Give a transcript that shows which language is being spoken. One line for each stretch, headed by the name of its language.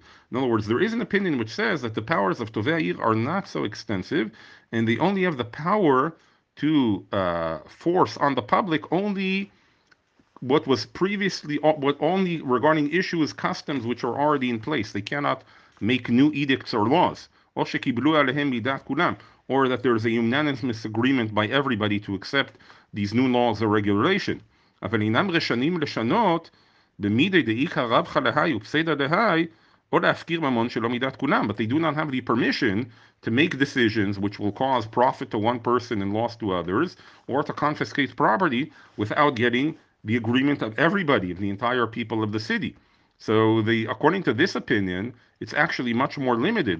English: In other words, there is an opinion which says that the powers of tovei ha'ir are not so extensive, and they only have the power to force on the public only what was previously, what only regarding issues, customs which are already in place. They cannot make new edicts or laws.
Hebrew: O shekiblu alehem midat kulam,
English: or that there is a unanimous agreement by everybody to accept these new laws or regulation.
Hebrew: אבל אינם רשנים לשנות במידי דאיכא רבחא להאי ופסיידא להאי או להפקיר ממון שלא מידת כולם.
English: But they do not have the permission to make decisions which will cause profit to one person and loss to others, or to confiscate property without getting the agreement of everybody, of the entire people of the city. So according to this opinion, it's actually much more limited.